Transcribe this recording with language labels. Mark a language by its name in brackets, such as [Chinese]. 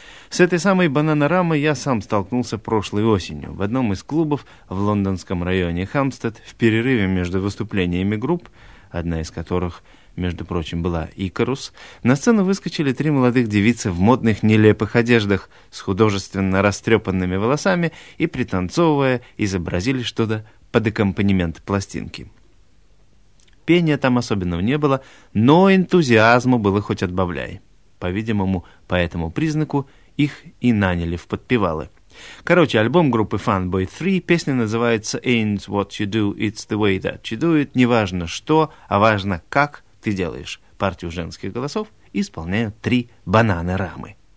[Russian] С этой самой «Бананарамой» я сам столкнулся прошлой осенью в одном из клубов в лондонском районе Хэмпстед в перерыве между выступлениями групп, одна из которых, между прочим, была «Икарус», на сцену выскочили три молодых девицы в модных нелепых одеждах с художественно растрепанными волосами и, пританцовывая, изобразили что-то под аккомпанемент пластинки. Пения там особенного не было, но энтузиазму было хоть отбавляй. По-видимому, по этому признаку их и наняли в подпевалы. Короче, альбом группы Funboy 3, песня называется [English] «Ain't what you do, it's the way that you do it». [Russian] Неважно что, а важно, как ты делаешь. Партию женских голосов исполняют три бананы-рамы.